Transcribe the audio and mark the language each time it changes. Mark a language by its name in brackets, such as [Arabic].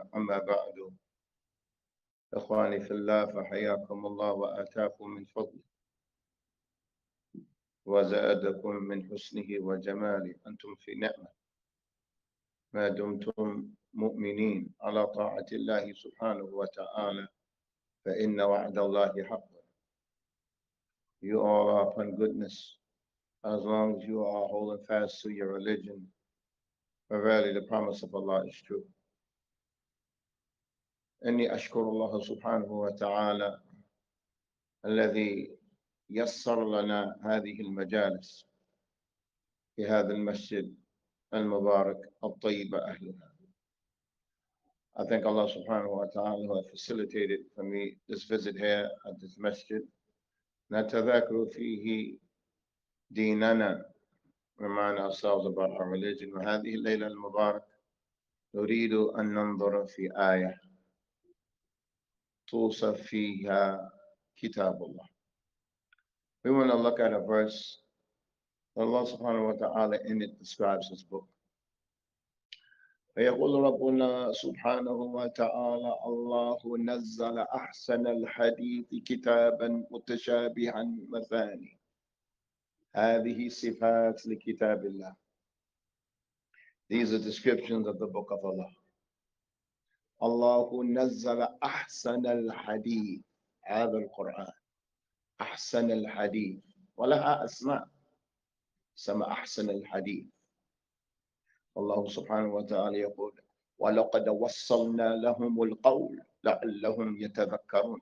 [Arabic] أما بعد، إخواني في الله، فحياكم الله وآتاكم من فضله وزادكم من حسنه وجماله. أنتم في نعمة ما دمتم مؤمنين على طاعة الله سبحانه وتعالى، فإن وعد الله حق. [English] You are upon goodness as long as you are holding fast to your religion. Verily, the promise of Allah is true. [Arabic] إني أشكر الله سبحانه وتعالى الذي يسر لنا هذه المجالس في هذا المسجد المبارك الطيب أهلها. [English] I thank Allah subhanahu wa ta'ala who have facilitated for me this visit here at this masjid. [Arabic] نتذكر فيه ديننا. [English] Remind ourselves about our religion. [Arabic] وهذه الليلة المباركة نريد أن ننظر في آية توصف فيها كتاب الله. [English] We want to look at a verse that Allah subhanahu wa ta'ala in it describes his book. [Arabic] فيقول ربنا سبحانه وتعالى: الله نزل أحسن الحديث كتابا متشابها مثاني. هذه صفات لكتاب الله. [English] These are descriptions of the book of Allah. [Arabic] الله نزل أحسن الحديث، هذا القرآن أحسن الحديث، ولها أسماء سمى أحسن الحديث. الله سبحانه وتعالى يقول: ولقد وصلنا لهم القول لعلهم يتذكرون.